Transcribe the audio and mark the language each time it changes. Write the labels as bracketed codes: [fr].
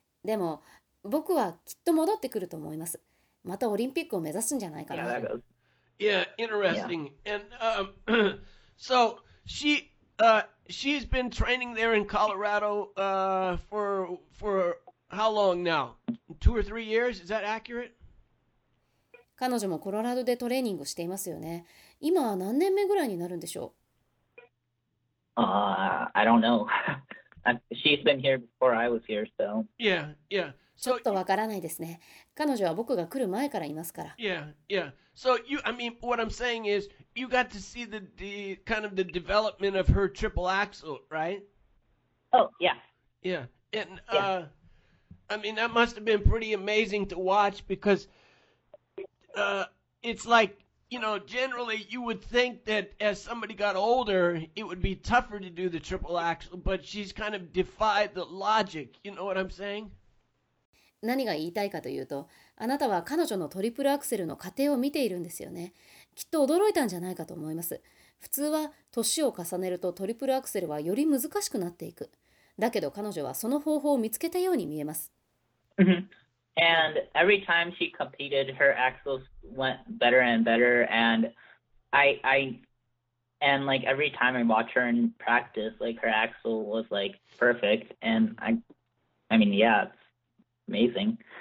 [ja] でも僕はきっと戻ってくると思います。またオリンピックを目指すんじゃないかな。 [en] Yeah, that goes. Yeah, interesting. Yeah. And so she's been training there in Colorado for how long now? 2 or 3 years? Is that accurate? [ja] 彼女もコロラドでトレーニングしていますよね。今は何年目ぐらいになるんでしょう？ [en] I don't know. She's been here before I was here, so. Yeah, yeah. [ja] ちょっとわからないですね。彼女は僕が来る前からいますから。 [en] Yeah, yeah. So you, I mean, what I'm saying is, you got to see the kind of the development of her triple axel, right? Oh, yeah. Yeah. And, yeah. I mean, that must have been pretty amazing to watch because it's like, you know, generally you would think that as somebody got older, it would be tougher to do the triple axel, but she's kind of defied the logic, you know what I'm saying? [ja] 何が言いたいかというと、あなたは彼女のトリプルアクセルの過程を見ているんですよね。きっと驚いたんじゃないかと思います。普通は年を重ねるとトリプルアクセルはより難しくなっていく。だけど彼女はその方法を見つけたように見えます。 [en] And every time she competed, her axels went better and better. And I And like every time I watch her in practice, like her axel was like perfect. And I mean, yeah, it's amazing.